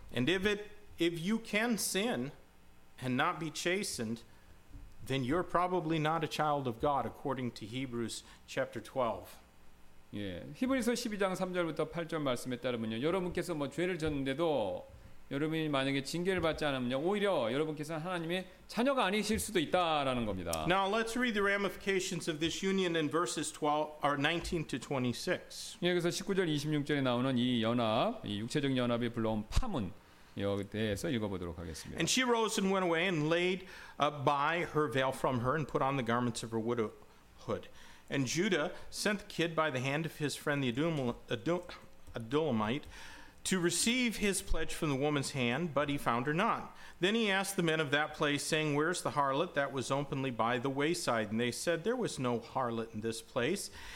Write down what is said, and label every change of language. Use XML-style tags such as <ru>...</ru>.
<en>And if you can sin and not be chastened, then you're probably not a child of God according to Hebrews chapter 12.</en> <ko>예, 히브리서 12장 3절부터 8절 말씀에 따르면요, 여러분께서 뭐 죄를 졌는데도 여러분이 만약에 징계를 받지 않으면요, 오히려 여러분께서는 하나님의 자녀가 아니실 수도 있다라는 겁니다.</ko> <en>Now let's read the ramifications of this union in verses 12 or 19 to 26.</en> <ko>예, 그래서 19절 26절에 나오는 이 연합, 이 육체적 연합이 불러온 파문 여기에 대해서 읽어보도록 하겠습니다.</ko> <en>And she rose and went away and laid by her veil from her and put on the garments of her widowhood. And Judah sent the kid by the hand of his friend the Adullamite to receive his pledge from the woman's hand, but he found her not. Then he asked the men of that place, saying, Where is the harlot that was openly by the wayside? And they said, There was no harlot in this place.</en>